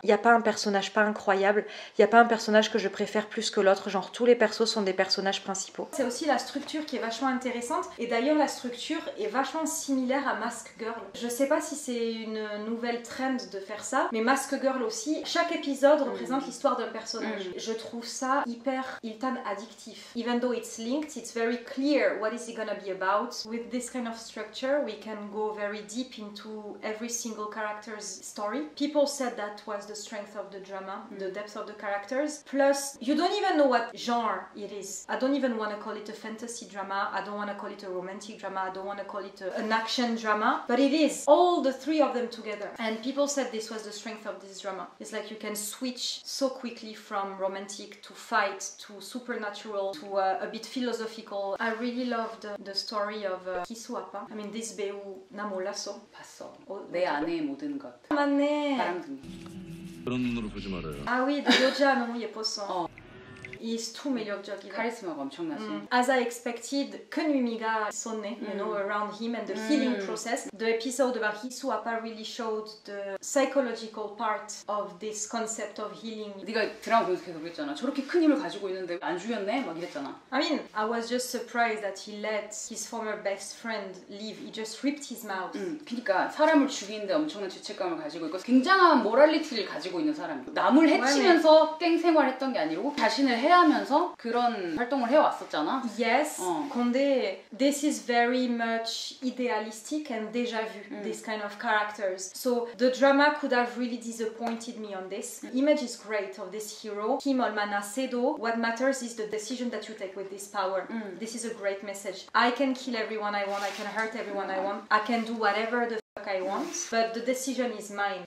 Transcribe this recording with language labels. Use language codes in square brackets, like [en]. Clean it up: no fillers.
[fr] Il y a pas un personnage pas incroyable, il y a pas un personnage que je préfère plus que l'autre, genre tous les persos sont des personnages principaux. C'est aussi la structure qui est vachement intéressante et d'ailleurs la structure est vachement similaire à Mask Girl. Je sais pas si c'est une nouvelle trend de faire ça, mais Mask Girl aussi, chaque épisode représente l'histoire d'un personnage. Je trouve ça hyper iltan addictif. [en] Even though it's linked, it's very clear what is it gonna be about. With this kind of structure, we can go very deep into every single character's story. People said that was the strength of the drama, the depth of the characters. Plus, you don't even know what genre it is. I don't even want to call it a fantasy drama. I don't want to call it a romantic drama. I don't want to call it an action drama. But it is all the three of them together. And people said this was the strength of this drama. It's like you can switch so quickly from romantic to fight, to supernatural, to a bit philosophical. I really love the story of Kisu Appa. I mean, this [ko] 배우, 나 몰랐어. 봤어. 내 안에 모든 것. 맞네. 바람둥이. 그런 눈으로 보지 말아요. 아, 위, 네 여자 너무 예뻤어. 이스 투 매력적이다. 카리스마가 엄청나지. [en] As I expected, [ko] 큰 의미가 있었네. [en] You know, around him and the healing process. The episode about Hisu Appa really showed the psychological part of this concept of healing. [ko] 네가 드라마 분석해서 그랬잖아. 저렇게 큰 힘을 가지고 있는데 안 죽였네? 막 이랬잖아. [en] I mean, I was just surprised that he let his former best friend leave. He just ripped his mouth. [ko] 그러니까 사람을 죽이는데 엄청난 죄책감을 가지고 있고 굉장한 모랄리티를 가지고 있는 사람이야. 남을 해치면서 깽생활했던 게 아니고 자신을 해 해하면서 그런 활동을 해왔었잖아. Yes. 어. [en] 근데 this is very much idealistic and déjà vu, this kind of characters. So the drama could have really disappointed me on this. Image is great of this hero, Kim Olmana Sedo. What matters is the decision that you take with this power. This is a great message. I can kill everyone I want, I can hurt everyone I want, I can do whatever the I want, but the decision is mine.